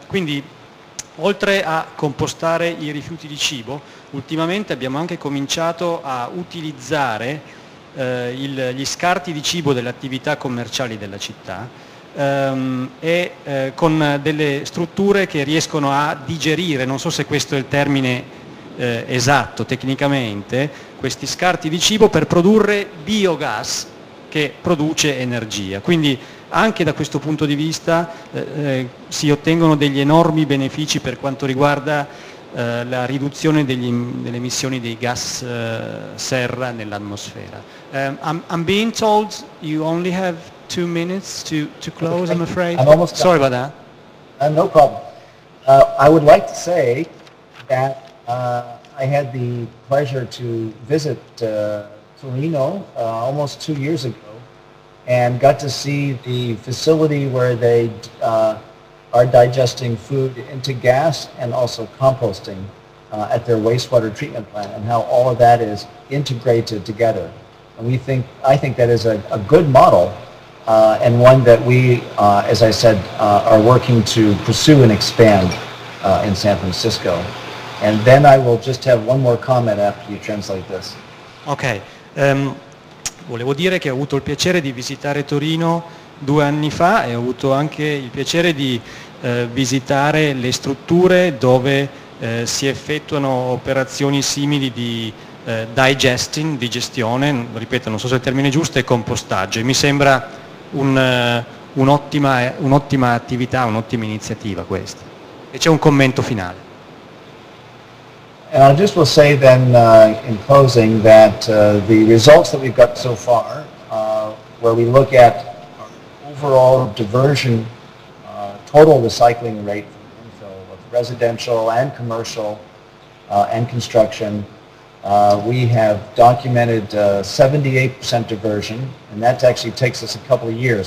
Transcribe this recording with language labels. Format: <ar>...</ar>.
<it>Quindi, oltre a compostare i rifiuti di cibo, ultimamente abbiamo anche cominciato a utilizzare gli scarti di cibo delle attività commerciali della città, con delle strutture che riescono a digerire, non so se questo è il termine esatto tecnicamente, questi scarti di cibo per produrre biogas che produce energia. Quindi anche da questo punto di vista si ottengono degli enormi benefici per quanto riguarda la riduzione delle emissioni dei gas serra nell'atmosfera.</it> <en>I'm being told you only have 2 minutes to close, I'm afraid. I'm almost done. Sorry about that. No problem. I would like to say that I had the pleasure to visit Torino almost 2 years ago and got to see the facility where they are digesting food into gas and also composting at their wastewater treatment plant, and how all of that is integrated together. And I think that is a good model and one that we, as I said, are working to pursue and expand in San Francisco. And then I will just have one more comment after you translate this. Okay.</en> <it>Volevo dire che ho avuto il piacere di visitare Torino 2 anni fa e ho avuto anche il piacere di visitare le strutture dove si effettuano operazioni simili di digesting, digestione, ripeto, non so se il termine è giusto, è compostaggio, e mi sembra un'ottima attività, un'ottima iniziativa questa. E c'è un commento finale.</it> <en>And I just will say then, in closing, that the results that we've got so far, where we look at overall diversion, total recycling rate from landfill, both residential and commercial, and construction, we have documented 78% diversion, and that actually takes us a couple of years.</en>